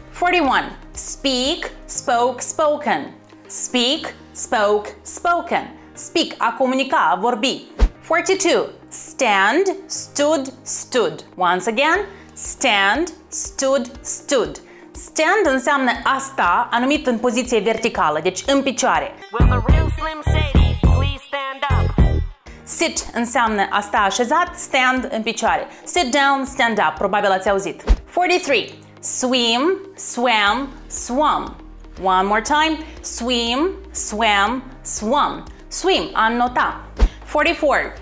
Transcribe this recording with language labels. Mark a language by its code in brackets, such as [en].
[en] 41. Speak, spoke, spoken. Speak, spoke, spoken. Speak, [ro] a comunica, a vorbi. [en] 42. Stand, stood, stood. Once again, stand, stood, stood. [ro] Stand înseamnă a sta, anumit în poziție verticală, deci în picioare. [en] With a real slim shady, please stand up. [ro] Sit înseamnă a sta așezat, stand în picioare. [en] Sit down, stand up, [ro] probabil ați auzit. [en] 43. Swim, swam, swam. One more time. Swim, swam, swam. Swim, [ro] a nota. [en] 44.